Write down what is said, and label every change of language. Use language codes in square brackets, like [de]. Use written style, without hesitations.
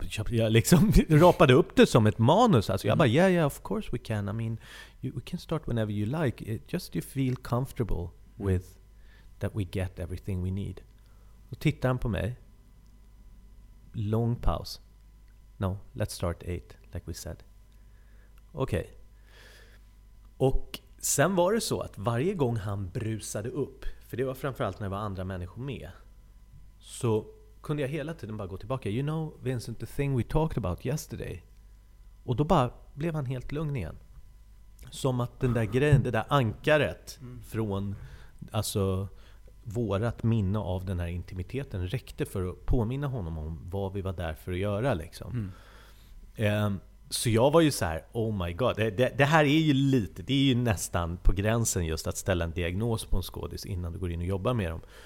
[sv] Jag liksom rapade upp det som ett manus. Alltså jag bara, [en] yeah, of course we can. I mean, we can start whenever you like. Just you feel comfortable with that we get everything we need. [sv] Och tittar han på mig. [en] Long pause. No, let's start 8, like we said. [sv] Okej. [en] Okay. [sv] Och sen var det så att varje gång han brusade upp, för det var framförallt när det var andra människor med, så kunde jag hela tiden bara gå tillbaka. [en] You know, Vincent, the thing we talked about yesterday. [sv] Och då bara blev han helt lugn igen. Som att den där grejen, det där ankaret från alltså vårat minne av den här intimiteten räckte för att påminna honom om vad vi var där för att göra. Liksom. Så jag var ju så här, [en] oh my god, [sv] det här är ju lite, det är ju nästan på gränsen just att ställa en diagnos på en skådis innan du går in och jobbar med dem.